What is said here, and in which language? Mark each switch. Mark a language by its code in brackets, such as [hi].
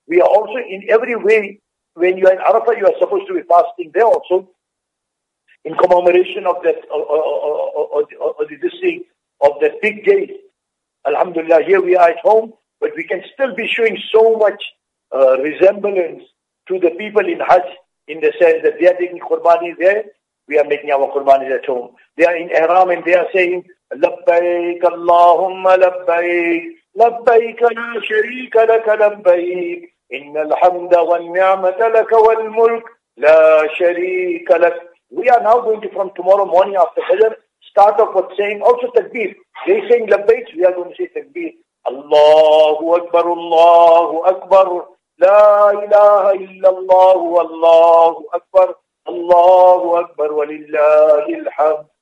[en] We are also in every way, when you are in Arafah, you are supposed to be fasting there also in commemoration of that of that big day. Alhamdulillah, here we are at home, but we can still be showing so much resemblance to the people in Hajj, in the sense that they are taking qurbani there, we are making our qurbani at home. They are in Ihram and they are saying Labbaik Allahumma Labbaik [ar] لبيك لا شريك لك [en] لبيك إن الحمد والنعمة لك والملك لا شريك لك. We are now going to, from tomorrow morning after Fajr, start off with saying also takbir. They saying لبيك, we are going to say takbir. [ar] الله أكبر الله أكبر لا إله إلا الله والله أكبر الله أكبر ولله الحمد.